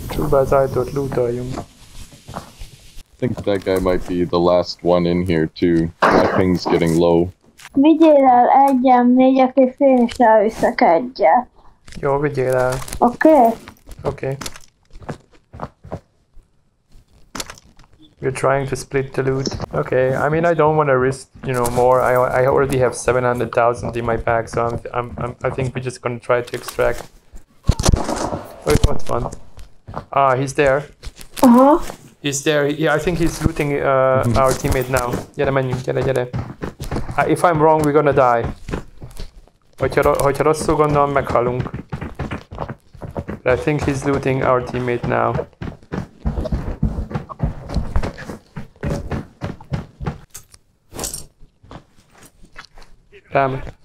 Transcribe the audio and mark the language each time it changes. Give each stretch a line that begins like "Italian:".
English: I think that guy might be the last one in here too. My ping's getting low.
Hungarian: Vigyél el egy M4, aki finish-el visszakedje. Jó, vigyél el.
English: Okay. Okay. We're trying to split the loot. Okay, I mean, I don't want to risk, you know, more. I already have 700,000 in my bag, so I think we're just gonna try to extract. Oh, it was fun. He's there. Uh-huh. He's there. Yeah, I think he's looting our teammate now. Get a menu. Get it. If I'm wrong, we're gonna die.
Hungarian: Hogyha rosszul gondolom, meghalunk.
English: But I think he's looting our teammate now. Damn.